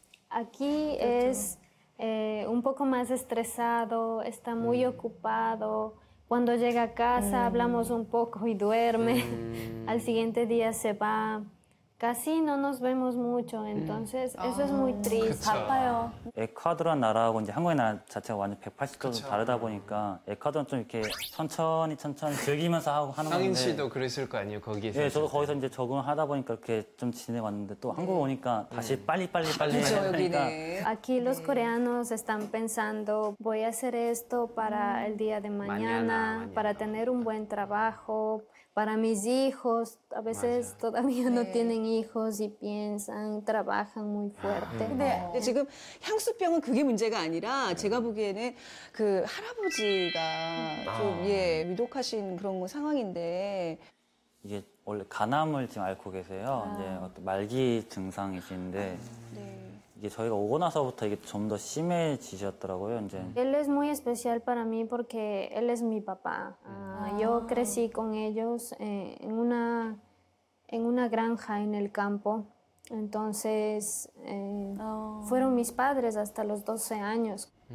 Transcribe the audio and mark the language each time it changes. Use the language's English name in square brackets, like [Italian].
[Spanish] Aquí es un poco más estresado, está muy ocupado. Cuando llega a casa, hablamos un poco y duerme. Al siguiente día se va. Casi no nos vemos mucho, entonces eso es muy triste. [Korean] 바빠요. 에콰도르란 나라하고 이제 한국의 나라 자체가 완전 180도 좀 다르다 보니까 에콰도르는 좀 이렇게 천천히 즐기면서 하고 하는 건데 상인 씨도 그랬을 거 아니에요, 거기에서? 네, 저도 거기서 이제 적응하다 보니까 이렇게 좀 지내왔는데 또 한국에 오니까 다시 빨리 그렇죠, 여기는. [Spanish] Aquí los coreanos están pensando voy a hacer esto para el día de mañana, para tener un buen trabajo. Para mis hijos, a veces [Korean] 맞아. [Spanish] todavía no [Korean] 네. [Spanish] tienen hijos y piensan, trabajan muy fuerte. [Korean] 근데 지금 향수병은 그게 문제가 아니라 제가 보기에는 그 할아버지가 좀 예, 위독하신 그런 상황인데 이게 원래 간암을 지금 앓고 계세요. 이제 말기 증상이신데 이게 저희가 오고 나서부터 이게 좀 더 심해지셨더라고요, 이제. [Spanish] Él es muy especial para mí porque él es mi papá. Yo crecí con ellos en una granja en el campo. Entonces, fueron mis padres hasta los 12 años.